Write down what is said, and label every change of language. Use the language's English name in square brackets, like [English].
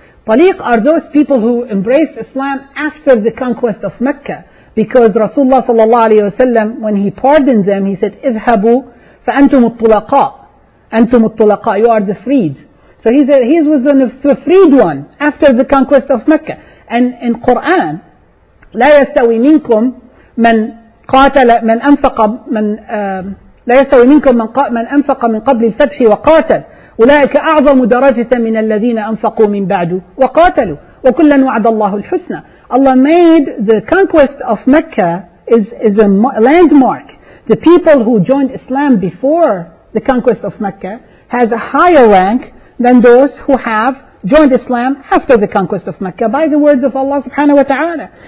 [English] Taliq are those people who embraced Islam after the conquest of Mecca. Because Rasulullah sallallahu alayhi wasallam, when he pardoned them, he said, [Arabic] اذهبوا فأنتم الطلقاء. أنتم الطلقاء. [English] You are the freed. So he said, he was one of the freed one after the conquest of Mecca. And in Quran, [Arabic] لا يستوي منكم من قاتل من أنفق من لا يستوي منكم من أنفق من قبل الفتح وقاتل أولئك أعظم درجة من الذين أنفقوا من بعد وقاتلوا وكلا وعد الله الحسنى. [English] Allah made the conquest of Mecca is a landmark. The people who joined Islam before the conquest of Mecca has a higher rank than those who have joined Islam after the conquest of Mecca by the words of Allah subhanahu wa ta'ala.